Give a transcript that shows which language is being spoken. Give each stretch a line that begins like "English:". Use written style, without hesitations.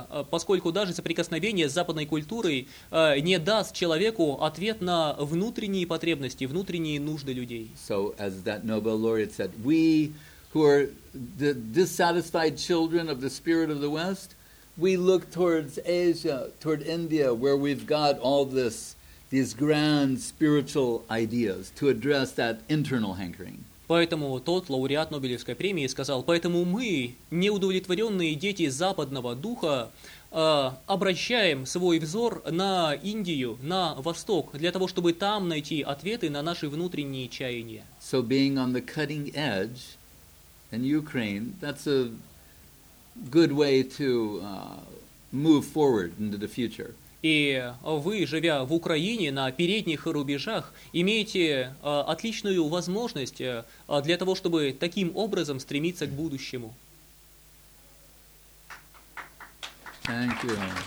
Russian: Поскольку даже соприкосновение с западной культурой не даст человеку ответ на внутренние потребности, внутренние нужды людей.
English: So, as that Nobel laureate said, we who are the dissatisfied children of the spirit of the West, we look towards Asia, toward India, where we've got all these grand spiritual ideas to address that internal hankering.
Russian: Поэтому тот лауреат Нобелевской премии сказал, поэтому мы, неудовлетворенные дети западного духа, обращаем свой взор на Индию, на Восток, для того, чтобы там найти ответы на наши внутренние чаяния.
English: So being on the cutting edge in Ukraine, that's a good way to move forward into the future.
Russian: И вы, живя в Украине на передних рубежах, имеете отличную возможность для того, чтобы таким образом стремиться к будущему.
English: Thank you.